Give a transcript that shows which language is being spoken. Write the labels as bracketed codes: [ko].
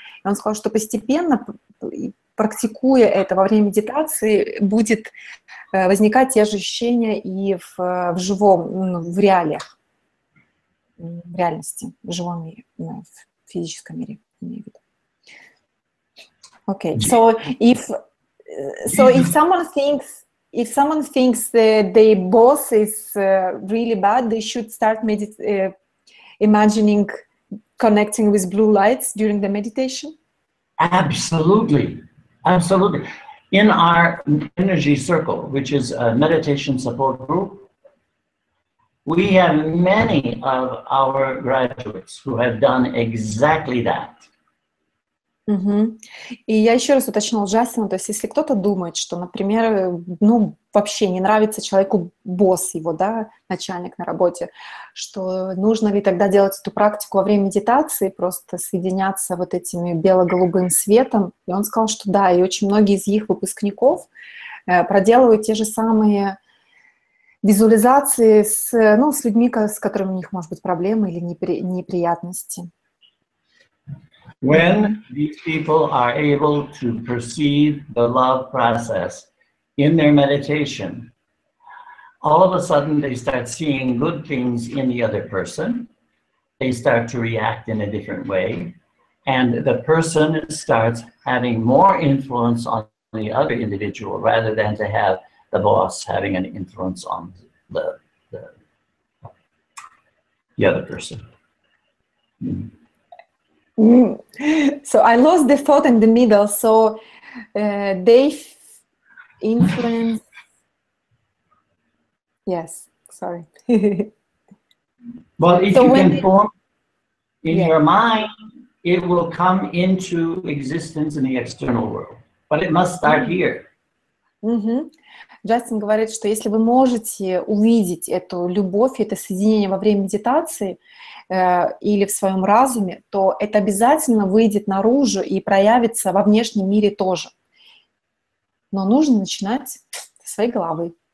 [ru] И он сказал, что постепенно, практикуя это во время медитации, будет возникать те же ощущения и в живом, ну, в реалиях, в реальности, в живом мире, ну, в физическом мире. [en] Okay, so if someone thinks that their boss is really bad, they should start imagining connecting with blue lights during the meditation. Absolutely, absolutely. In our energy circle, which is a meditation support group, we have many of our graduates who have done exactly that. Угу. [ru] И я еще раз уточнила Джастину, то есть если кто-то думает, что, например, ну, вообще не нравится человеку босс его, да, начальник на работе, что нужно ли тогда делать эту практику во время медитации, просто соединяться вот этим бело-голубым светом, и он сказал, что да, и очень многие из их выпускников проделывают те же самые визуализации с, ну, с людьми, с которыми у них, может быть, проблемы или неприятности. [en] When these people are able to perceive the love process in their meditation, all of a sudden they start seeing good things in the other person, they start to react in a different way, and the person starts having more influence on the other individual rather than to have the boss having an influence on the other person. Mm-hmm. So I lost the thought in the middle. So they influence. Yes, sorry. Well, if so you can form in your mind, it will come into existence in the external world. But it must start here. Mm-hmm. [ru] Джастин говорит, что если вы можете увидеть эту любовь, это соединение во время медитации или в своем разуме, то это обязательно выйдет наружу и проявится во внешнем мире тоже. Но нужно начинать со своей головы.